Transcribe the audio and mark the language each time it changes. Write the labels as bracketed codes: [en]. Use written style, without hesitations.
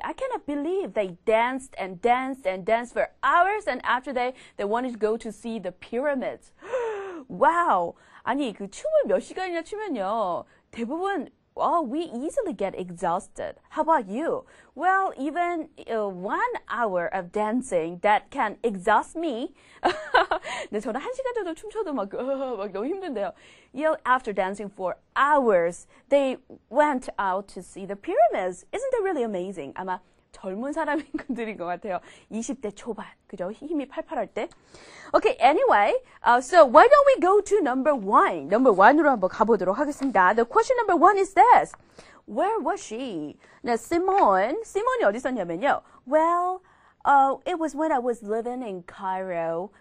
[en] I cannot believe they danced and danced and danced for hours and after they wanted to go to see the pyramids. Wow. [ko] 아니, 그 춤을 몇 시간이나 추면요. 대부분, [en] well, we easily get exhausted. How about you? Well, even 1 hour of dancing, that can exhaust me. [ko] 네, 저는 한 시간 정도 춤춰도 막 너무 힘든데요. [en] You know, after dancing for hours, they went out to see the pyramids. Isn't that really amazing? [ko] 아마 젊은 사람들인 것 같아요. 20대 초반, 그죠? 힘이 팔팔할 때. [en] Okay, anyway, so why don't we go to number one? Number one으로 [ko] 한번 가보도록 하겠습니다. [en] The question number one is this. Where was she? Now, Simone이 [ko] 어디 있었냐면요. [en] Well, it was when I was living in Cairo.